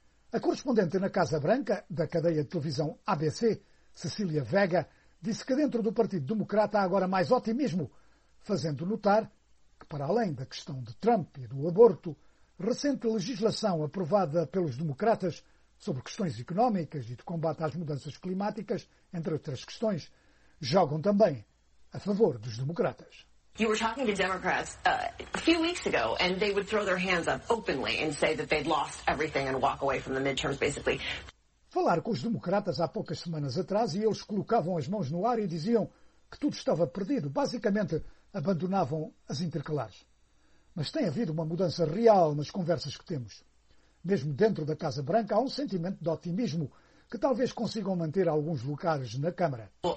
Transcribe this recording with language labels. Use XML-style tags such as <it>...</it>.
<pt>A correspondente na Casa Branca, da cadeia de televisão ABC, Cecília Vega, disse que dentro do Partido Democrata há agora mais otimismo, fazendo notar que, para além da questão de Trump e do aborto, recente legislação aprovada pelos democratas sobre questões económicas e de combate às mudanças climáticas, entre outras questões, jogam também a favor dos democratas.</pt> <en>You were talking to Democrats a few weeks ago, and they would throw their hands up openly and say that they'd lost everything and walk away from the midterms, basically.</en> <pt>Falar com os democratas há poucas semanas atrás e eles colocavam as mãos no ar e diziam que tudo estava perdido. Basicamente, abandonavam as intercalares. Mas tem havido uma mudança real nas conversas que temos. Mesmo dentro da Casa Branca, há um sentimento de otimismo que talvez consigam manter alguns lugares na Câmara.</pt>